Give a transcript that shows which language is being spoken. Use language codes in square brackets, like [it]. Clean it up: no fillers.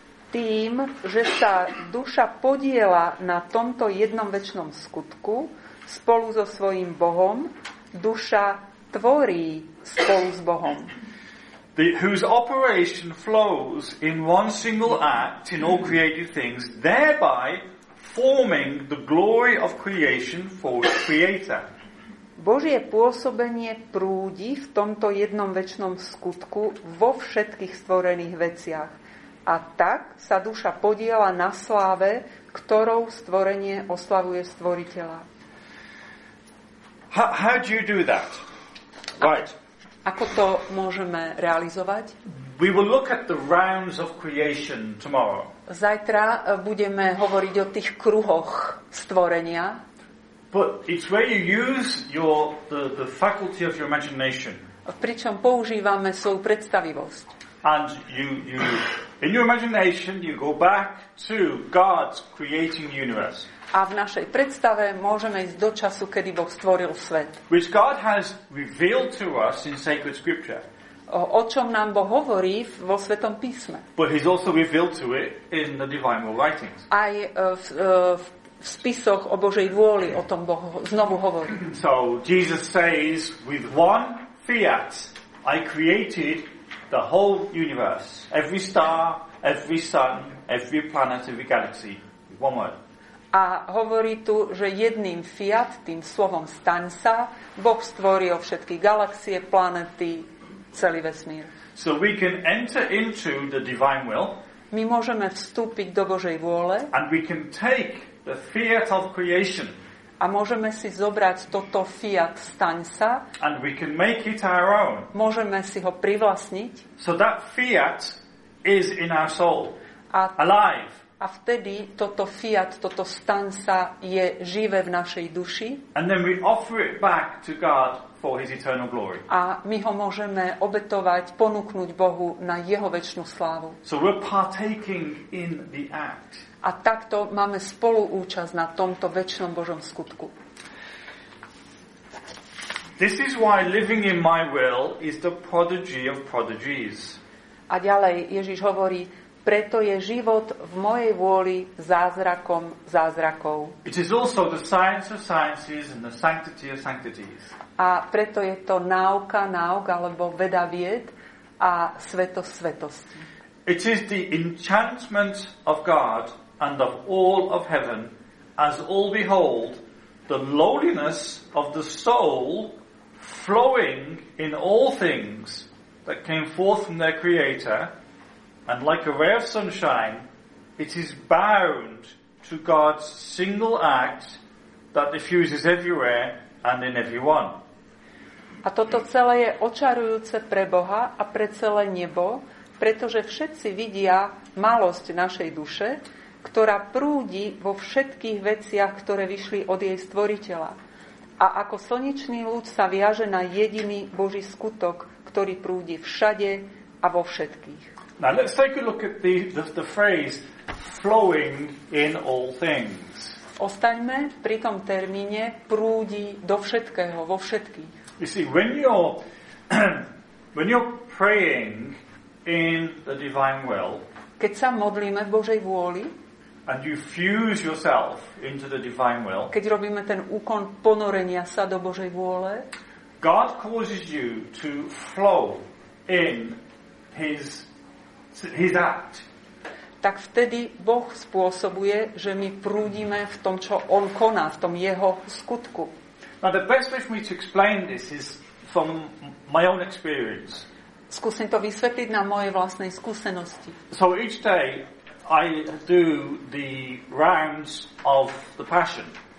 [sk] Tým, že sa duša podiela na tomto jednom večnom skutku spolu so svojím Bohom, duša tvorí spolu s Bohom. [en] Whose operation flows in one single act in all created things, thereby forming the glory of creation for its creator. [sk] Božie pôsobenie prúdi v tomto jednom večnom skutku vo všetkých stvorených veciach. A tak sa duša podiela na sláve, ktorou stvorenie oslavuje stvoriteľa. [en] How do you do that? Right. [sk] Ako to môžeme realizovať? [en] We will look at the rounds of creation tomorrow. [sk] Zajtra budeme hovoriť o tých kruhoch stvorenia. [en] But it's where you use the faculty of your imagination. [sk] Pričom používame svoju predstavivosť. [en] And you in your imagination you go back to God's creating universe. [sk] A v našej predstave môžeme ísť do času, kedy Boh stvoril svet. [en] Which God has revealed to us in sacred scripture. [sk] O čom nám Boh hovorí vo Svetom písme. [en] But he's also revealed to it in the divine writings. [sk] Aj v spisoch o Božej vôli o tom Boh znovu hovorí. [en] So Jesus says with one fiat I created the whole universe, every star, every sun, every planet, every galaxy, one word. [sk] A hovorí tu, že jedným fiat, tým slovom staň sa, Boh stvoril všetky galaxie, planety, celý vesmír. [en] So we can enter into the divine will. [sk] My môžeme vstúpiť do Božej vôle. [en] And we can take the fiat of creation. [sk] A môžeme si zobrať toto fiat staň sa. [en] And we can make it our own. [sk] Môžeme si ho privlastniť. [en] So that fiat is in our soul. Alive. [sk] A vtedy toto fiat, toto staň sa je živé v našej duši. [en] And then we offer it back to God for his eternal glory. [sk] A my ho môžeme obetovať, ponúknuť Bohu na jeho večnú slávu. [en] So we're partaking in the act. [sk] A takto máme spoluúčasť na tomto večnom Božom skutku. [en] This is why living in my will is the prodigy of prodigies. [sk] A ďalej Ježiš hovorí, preto je život v mojej vôli zázrakom zázrakov. [en] It is also the science of sciences and the sanctity of sanctities. [sk] A preto je to náuka náuk alebo veda vied a svetosť svetosti. [en] It is the enchantment of God and of all of heaven as all behold the lowliness of the soul flowing in all things that came forth from their creator and like a ray of sunshine it is bound to God's single act that diffuses everywhere and in everyone. [sk] A toto celé je očarujúce pre Boha a pre celé nebo, pretože všetci vidia malosť našej duše, ktorá prúdi vo všetkých veciach, ktoré vyšli od jej stvoriteľa. A ako slnečný lúč sa viaže na jediný Boží skutok, ktorý prúdi všade a vo všetkých. [en] Now let's take a look at the phrase flowing in all things. [sk] Ostaňme pri tom termíne prúdi do všetkého, vo všetkých. [en] You see, when you're praying in the divine will, [sk] keď sa modlíme v Božej vôli, [en] and you fuse yourself into the divine will, [sk] keď robíme ten úkon ponorenia sa do Božej vôle, [en] God causes you to flow in his act. [sk] Tak vtedy Boh spôsobuje, že my prúdime v tom, čo on koná, v tom jeho skutku. [en] Now the best way for me to explain this is from my own experience. [sk] Skúsim to vysvetliť na mojej vlastnej skúsenosti. [en] So each day I do the rounds of the passion.